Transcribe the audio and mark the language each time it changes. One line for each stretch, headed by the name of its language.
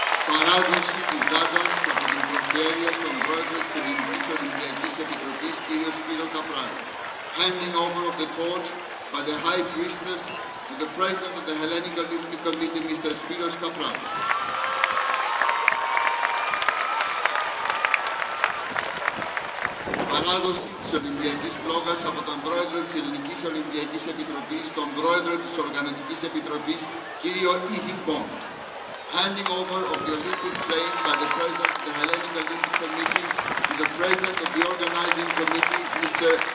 Greek: Παράδοση της δάτας από την Προφέρεια στον Πρόεδρο της Ελληνικής Ολυμπιακής Επιτροπής, κ. Σπύρο Καπράδη.
English: Handing over of the torch by the High Priestess to the President of the Hellenic Olympic Committee, Mr. Spiros Kaprados.
Greek: Παράδοση της Ολυμπιακής Φλόγας από τον Πρόεδρο της Ελληνικής Ολυμπιακής Επιτροπής στον Πρόεδρο της Οργανωτικής Επιτροπής, κ. Ιχιμπόν.
English: Handing over of the Olympic flame by the President of the Hellenic Olympic Committee to the President of the Organizing Committee, Mr.